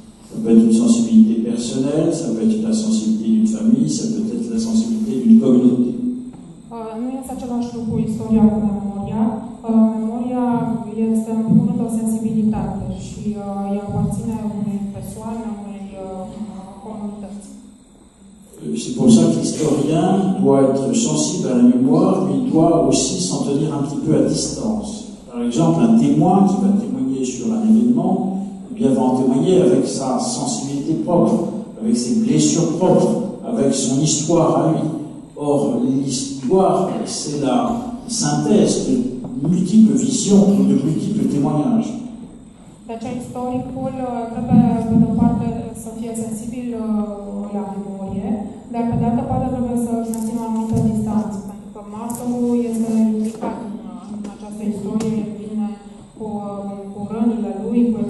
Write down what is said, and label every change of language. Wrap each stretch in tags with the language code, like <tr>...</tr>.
<fr>Ça peut être une sensibilité personnelle, ça peut être la sensibilité d'une famille, ça peut être la sensibilité d'une communauté.</fr> <ro>Nu este același lucru istoria cu memoria. Memoria este în primul rând o sensibilitate și ea aparține unei persoane, unei comunități.</ro> <fr>C'est pour ça que l'historien doit être sensible à la mémoire, mais il doit aussi s'en tenir un petit peu à distance. Par exemple, un témoin qui va témoigner sur un événement, eh bien, va en témoigner avec sa sensibilité propre, avec ses blessures propres, avec son histoire à lui. Or, l'histoire, c'est la synthèse de multiples visions et de multiples témoignages.</fr> <ro>Deci, istoricul trebuie, pe de-o parte, să fie sensibil la memorie, dar, pe de altă parte, trebuie să mențină o anumită distanță, pentru că masterul este implicat în această istorie, vine cu rândurile lui, cu</ro>